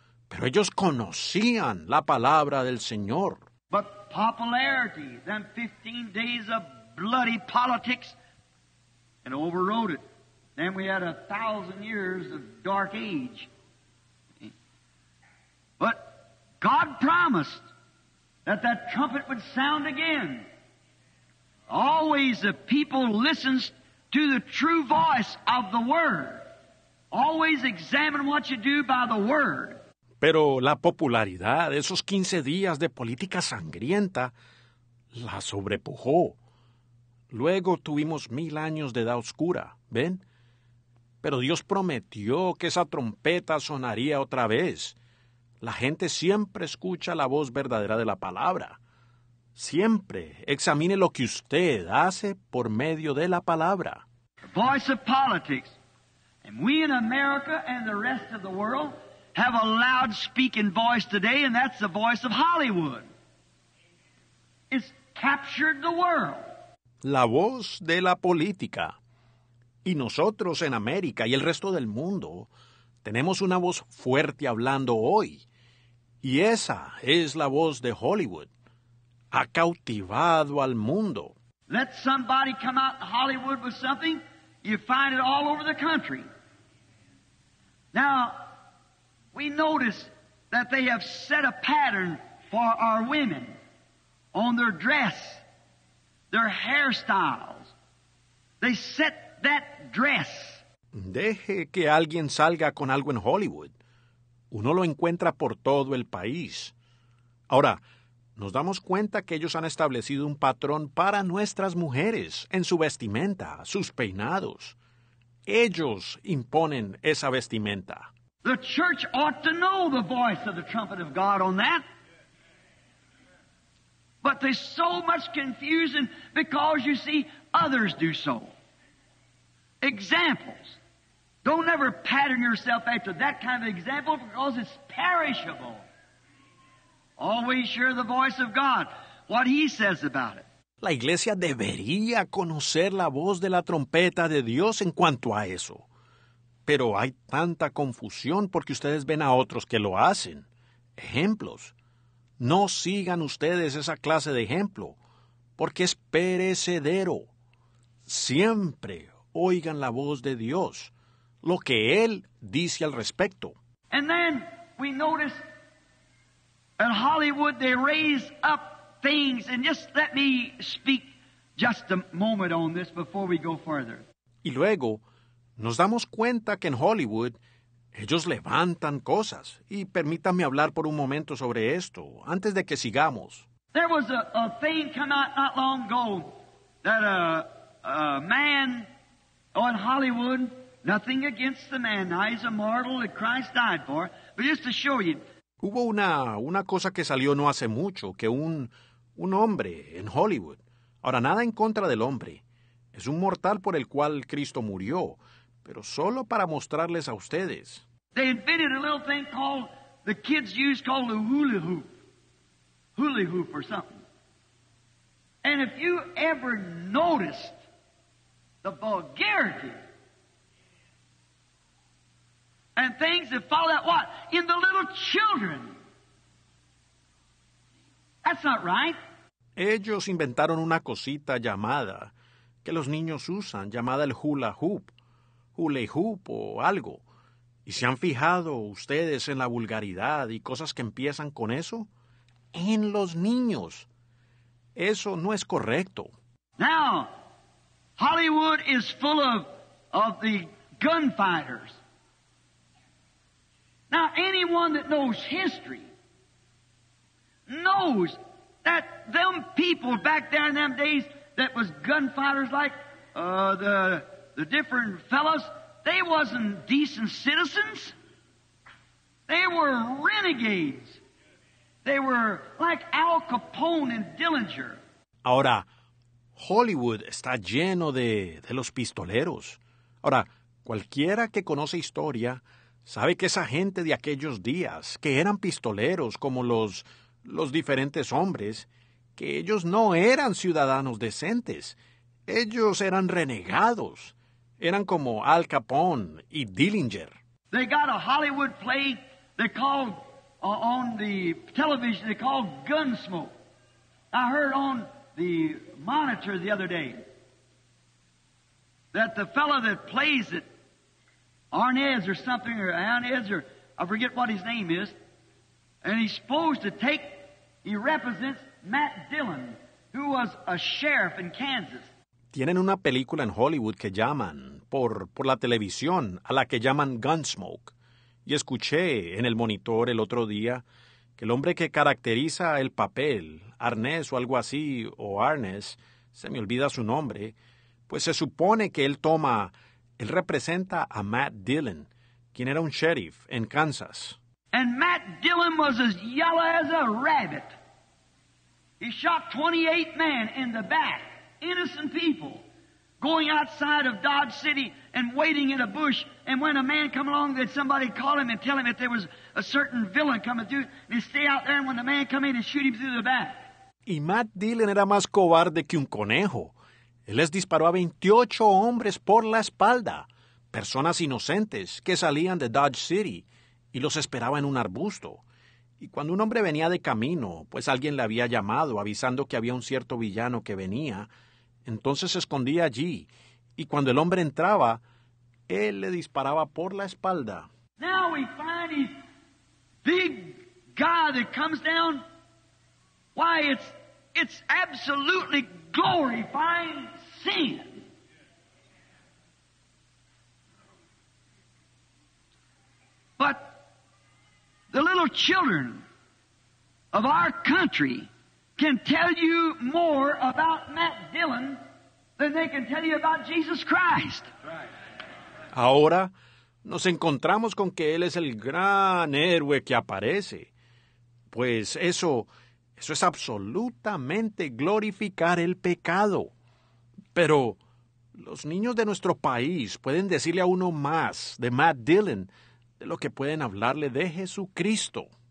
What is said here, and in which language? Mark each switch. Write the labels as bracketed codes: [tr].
[es] Pero ellos conocían la palabra del Señor. [en] But popularity, them 15 days of bloody politics, and overrode it. Then we had 1,000 years of dark age. But God promised that that trumpet would sound again. Always the people listens to the true voice of the Word. Always examine what you do by the Word. [es] Pero la popularidad de esos 15 días de política sangrienta la sobrepujó. Luego tuvimos 1,000 años de edad oscura, ¿ven? Pero Dios prometió que esa trompeta sonaría otra vez. La gente siempre escucha la voz verdadera de la palabra. Siempre examine lo que usted hace por medio de la palabra. [en] The voice of politics. And we in America and the rest of the world have a loud speaking voice today, and that's the voice of Hollywood. It's captured the world. [es] La voz de la política. Y nosotros en América y el resto del mundo tenemos una voz fuerte hablando hoy. Y esa es la voz de Hollywood. Ha cautivado al mundo. [en] Let somebody come out in Hollywood with something, you find it all over the country. Now, we notice that they have set a pattern for our women on their dress, their hairstyles. They set that dress. [es] Deje que alguien salga con algo en Hollywood. Uno lo encuentra por todo el país. Ahora, nos damos cuenta que ellos han establecido un patrón para nuestras mujeres en su vestimenta, sus peinados. Ellos imponen esa vestimenta. [en] The church ought to know the voice of the trumpet of God on that. But there's so much confusion because, you see, others do so. Examples. Don't ever pattern yourself after that kind of example because it's perishable. Always hear the voice of God, what He says about it. [es] La iglesia debería conocer la voz de la trompeta de Dios en cuanto a eso. Pero hay tanta confusión porque ustedes ven a otros que lo hacen. Ejemplos. No sigan ustedes esa clase de ejemplo, porque es perecedero. Siempre oigan la voz de Dios, lo que Él dice al respecto. [en] And then we notice in Hollywood they raise up things, and just let me speak just a moment on this before we go further. [es] Y luego nos damos cuenta que en Hollywood ellos levantan cosas, y permítanme hablar por un momento sobre esto, antes de que sigamos. [en] There was a thing come out not long ago that a man in Hollywood, nothing against the man, he's a mortal that Christ died for, but just to show you. [es] Hubo una cosa que salió no hace mucho, que un hombre en Hollywood, ahora nada en contra del hombre, es un mortal por el cual Cristo murió, pero solo para mostrarles a ustedes. [en] They invented a little thing called, the kids use called a hula hoop or something. And if you ever noticed the vulgarity and things that fall out, what? In the little children. That's not right. [es] Ellos inventaron una cosita llamada, que los niños usan, llamada el hula hoop. Hula hoop o algo. ¿Y se han fijado ustedes en la vulgaridad y cosas que empiezan con eso? En los niños. Eso no es correcto. [en] Now, Hollywood is full of the gunfighters. Now, anyone that knows history knows that them people back there in them days that was gunfighters like the different fellows, they wasn't decent citizens. They were renegades. They were like Al Capone and Dillinger. [es] Ahora, Hollywood está lleno de los pistoleros. Ahora, cualquiera que conoce historia sabe que esa gente de aquellos días, que eran pistoleros como los diferentes hombres, que ellos no eran ciudadanos decentes. Ellos eran renegados. Eran como Al Capone y Dillinger. [en] They got a Hollywood play they called on the television, they called Gunsmoke. I heard on the monitor the other day that the fellow that plays it, Arnaz or something, or Arnaz, or I forget what his name is, and he's supposed to take, he represents Matt Dillon, who was a sheriff in Kansas. [es] Tienen una película en Hollywood que llaman, por la televisión, a la que llaman Gunsmoke. Y escuché en el monitor el otro día que el hombre que caracteriza el papel, Arnaz o algo así, o Arnaz, se me olvida su nombre, pues se supone que él representa a Matt Dillon, quien era un sheriff en Kansas. [en] And Matt Dillon was as yellow as a rabbit. He shot 28 men in the back. Innocent people going outside of Dodge City and waiting in a bush. And when a man come along, did somebody call him and tell him that there was a certain villain coming through? And he stay out there, and when the man come in, and shoot him through the back. [es] Y Matt Dillon era más cobarde que un conejo. Él les disparó a 28 hombres por la espalda, personas inocentes que salían de Dodge City y los esperaba en un arbusto. Y cuando un hombre venía de camino, pues alguien le había llamado avisando que había un cierto villano que venía, entonces se escondía allí. Y cuando el hombre entraba, él le disparaba por la espalda. [en] Now we find this big guy that comes down. Why, it's absolutely glorifying sin. little children of our country can tell you more about Matt Dillon than they can tell you about Jesus Christ. [es] Ahora nos encontramos con que él es el gran héroe que aparece. Pues eso es absolutamente glorificar el pecado. Pero los niños de nuestro país pueden decirle a uno más de Matt Dillon de lo que pueden hablarle de Jesucristo.